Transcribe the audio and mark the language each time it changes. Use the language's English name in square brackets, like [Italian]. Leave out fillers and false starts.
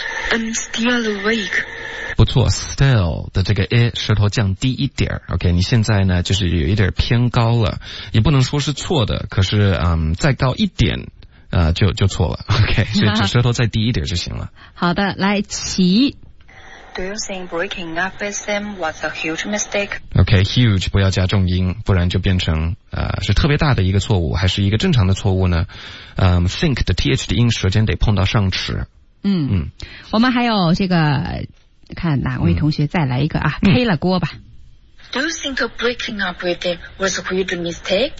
[English] I'm still awake. [Chinese] 不错 ,still 的这个 a 舌头降低一点 ,okay? 你现在呢就是有一点偏高了。也不能说是错的可是再高一点就错了。 OK， 所以指舌头再低一点就行了。好的，来齐。 [English] Do you think breaking up with him was a huge mistake? [Chinese] OK, huge 不要加重音，不然就变成是特别大的一个错误，还是一个正常的错误呢？ Think 的 th 的音舌尖得碰到上齿。嗯，我们还有这个，看哪位同学再来一个啊？黑了锅吧。 [English] Do you think breaking up with him was a huge mistake?